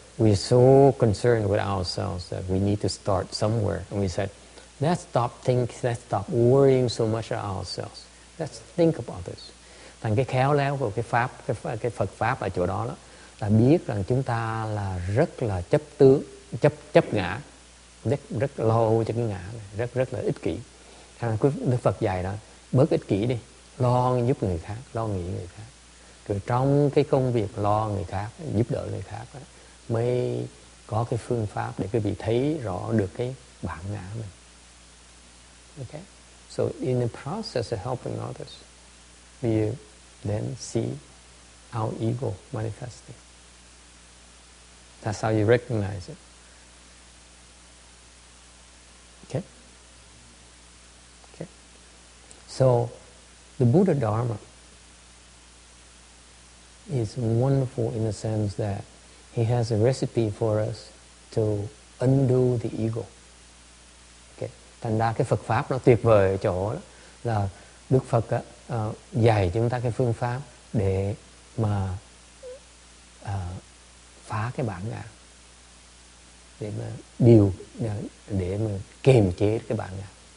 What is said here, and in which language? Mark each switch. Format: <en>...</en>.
<en>We're so concerned with ourselves that we need to start somewhere. And we said, let's stop worrying so much about ourselves. Let's think about this.</en> <vi>Thành cái khéo léo của cái Phật Pháp ở chỗ đó, đó là biết rằng chúng ta là rất là chấp tướng, chấp ngã, rất lo cho cái ngã này, rất là ích kỷ. Thành ra Đức Phật dạy đó, bớt ích kỷ đi, lo giúp người khác, lo nghĩ người khác. Rồi trong cái công việc lo người khác, giúp đỡ người khác đó, mới có cái phương pháp để quý vị thấy rõ được cái bản ngã mình.</vi> <en>Okay. So in the process of helping others, we then see our ego manifesting. That's how you recognize it. Okay. Okay. So the Buddha Dharma is wonderful in the sense that he has a recipe for us to undo the ego. Okay.</en> <vi>Thành ra cái Phật Pháp nó tuyệt vời ở chỗ đó, là Đức Phật á, dạy chúng ta cái phương pháp để mà phá cái bản ngã, để mà kiềm chế cái bản ngã.</vi>